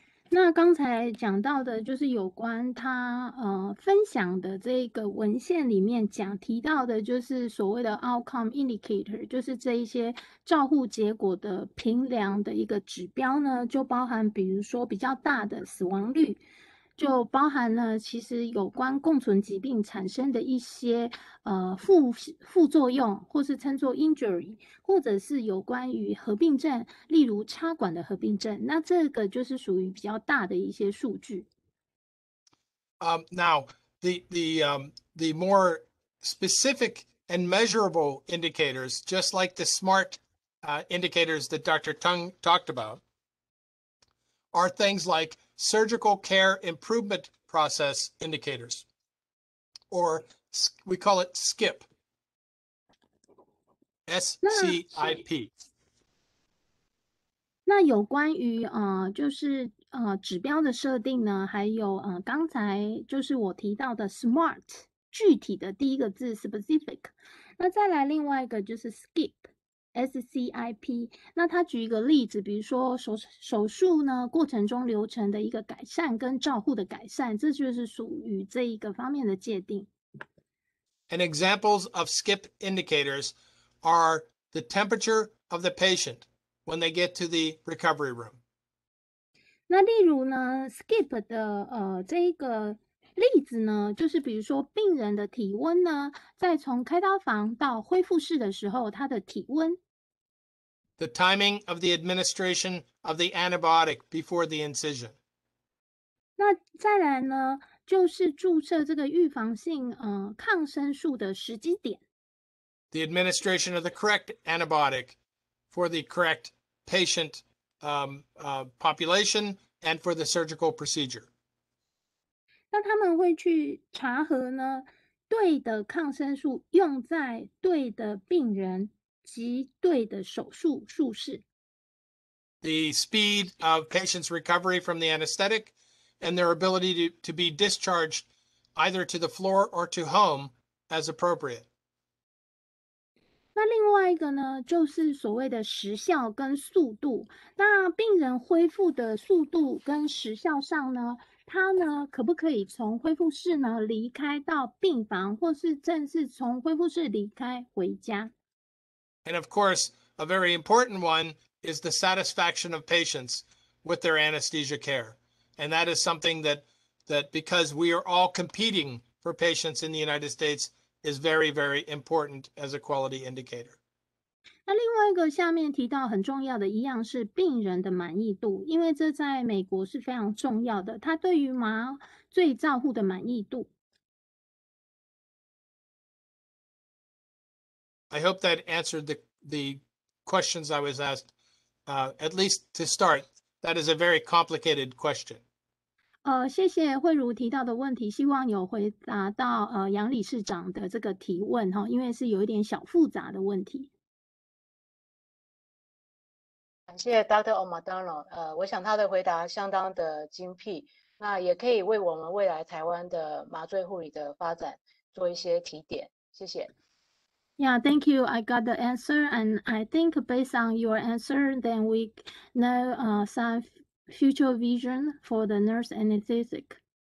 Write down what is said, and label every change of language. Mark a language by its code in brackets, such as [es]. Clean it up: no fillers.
[zh] 那刚才讲到的就是有关他分享的这个文献里面讲提到的就是所谓的 outcome indicator, 就是这一些照护结果的评量的一个指标呢，就包含比如说比较大的死亡率，就包含了其实有关共存疾病产生的一些副作用，或是称作 injury, 或者是有关于合并症，例如插管的合并症，那这个就是属于比较大的一些数据。 [en] Now the more specific and measurable indicators, just like the smart indicators that Dr. Tung talked about, are things likeSurgical care improvement process indicators, or we call it SCIP. SCIP. [zh] 那有关于就是指标的设定呢，还有刚才就是我提到的 SMART 具体的第一个字 specific, 那再来另外一个就是 SCIP. SCIP, 那他举一个例子，比如说手术呢过程中流程的一个改善跟照护的改善，这就是属于这一个方面的界定。 [en] And examples of SCIP indicators are the temperature of the patient when they get to the recovery room. [zh] 那例如呢 ,SCIP 的这一个例子呢，就是比如说病人的体温呢，在从开刀房到恢复室的时候，他的体温。 [en] The timing of the administration of the antibiotic before the incision. [zh] 那再来呢，就是注射这个预防性抗生素的时机点。 [en] The administration of the correct antibiotic for the correct patient population and for the surgical procedure. [zh] 那他们会去查核呢，对的抗生素用在对的病人及对的手术术室。 [en] The speed of patients' recovery from the anesthetic and their ability to be discharged either to the floor or to home as appropriate. [zh] 那另外一个呢，就是所谓的时效跟速度。那病人恢复的速度跟时效上呢？他呢，可不可以从恢复室呢离开到病房，或是正式从恢复室离开回家 [en] ？And of course, a very important one is the satisfaction of patients with their anesthesia care. And that is something that because we are all competing for patients in the United States is very, very important as a quality indicator. [zh] 那另外一个下面提到很重要的一样是病人的满意度，因为这在美国是非常重要的，它对于麻醉照护的满意度。 I hope that answered the questions I was asked, at least to start, that is a very complicated question. 谢谢慧如提到的问题，希望有回答到杨理事长的这个提问，因为是有一点小复杂的问题。感谢 Dr. O'Donnell， 我想他的回答相当的精辟，那也可以为我们未来台湾的麻醉护理的发展做一些提点，谢谢。 [en] Yeah, thank you. I got the answer, and I think based on your answer, then we know some future vision for the nurse anesthetic.